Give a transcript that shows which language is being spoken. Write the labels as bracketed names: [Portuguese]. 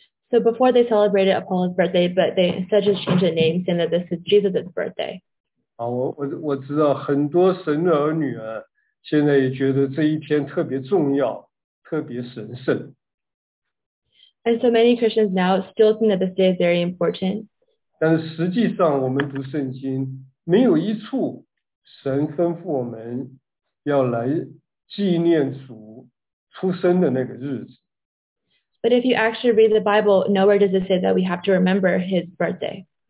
[English] So before they celebrated Apollo's birthday, but they instead just changed the name, saying that this is Jesus' birthday. [Chinese] 我知道很多神的儿女现在也觉得这一天特别重要，特别神圣。 [English] And so many Christians now still think that this day is very important. [Chinese] 但实际上我们读圣经，没有一处神吩咐我们要来纪念主出生的那个日子。 [English] But if you actually read the Bible, nowhere does it say that we have to remember his birthday.